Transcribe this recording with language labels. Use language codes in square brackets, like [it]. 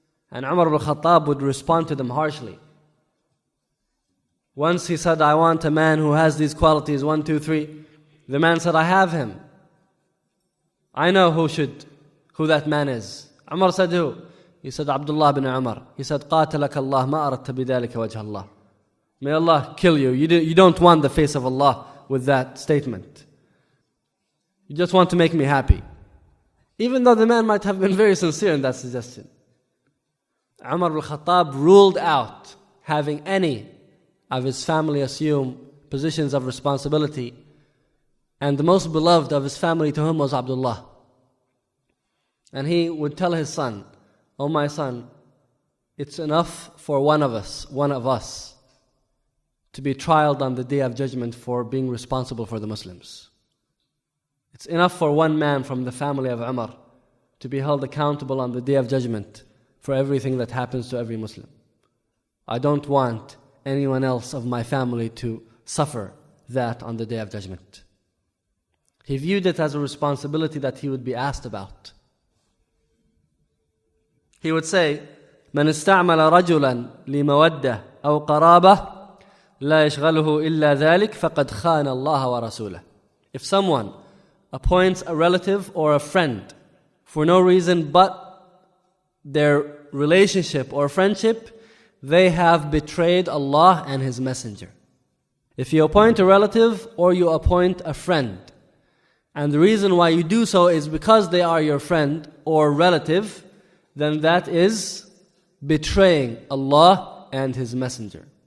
[en] And Umar ibn Khattab would respond to them harshly. Once he said, I want a man who has these qualities, one, two, three. The man said, I have him. I know who that man is. Umar said, who? He said, Abdullah ibn Umar. He said, [ar] قاتلك الله ما أردت بذلك وجه الله. [en] May Allah kill you. You don't want the face of Allah with that statement. You just want to make me happy. Even though the man might have been very sincere in that suggestion. Umar al-Khattab ruled out having any of his family assume positions of responsibility. And the most beloved of his family to him was Abdullah. And he would tell his son, oh my son, it's enough for one of us, to be trialed on the Day of Judgment for being responsible for the Muslims. It's enough for one man from the family of Umar to be held accountable on the Day of Judgment for everything that happens to every Muslim. I don't want anyone else of my family to suffer that on the Day of Judgment. He viewed it as a responsibility that he would be asked about. He would say, [ar] من استعمل رجلا لمودة أو قرابة لا يشغله إلا ذلك فقد خان الله ورسوله. [en] If someone appoints a relative or a friend for no reason but their relationship or friendship, they have betrayed Allah and His Messenger. If you appoint a relative or you appoint a friend, and the reason why you do so is because they are your friend or relative, then that is betraying Allah and His Messenger.